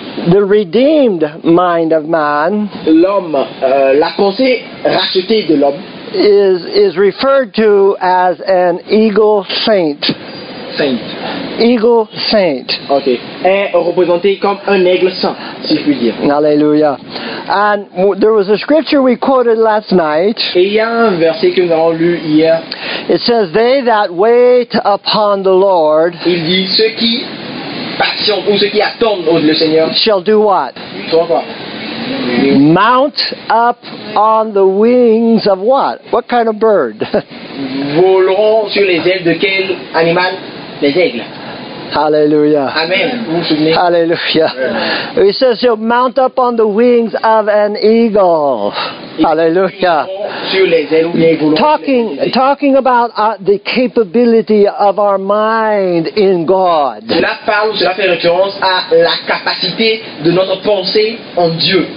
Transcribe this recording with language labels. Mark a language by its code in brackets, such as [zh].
[en] The redeemed mind of man. [fr] L'homme, la pensée rachetée de l'homme. [en] Is referred to as an eagle saint. Saint. Eagle saint. Okay. [fr] Est représenté comme un aigle saint, si je puis dire. Alléluia. [en] And there was a scripture we quoted last night. [fr] Et il y a un verset que nous avons lu hier. [en] It says, they that wait upon the Lord. [fr] Il dit, ceux qui patient ou ceux qui attendent le Seigneur. [en] Shall do what? [fr] Soit quoi? [en] Mount up on the wings of what? What kind of bird? [fr] Volons sur les ailes de quel animal? Les aigles. [en] Hallelujah. [fr] Amen. Vous souvenez? [en] Hallelujah. Yeah. It says you mount up on the wings of an eagle. Hallelujah. Talking about the capability of our mind in God. [fr] Cela fait référence à la capacité de notre pensée en Dieu.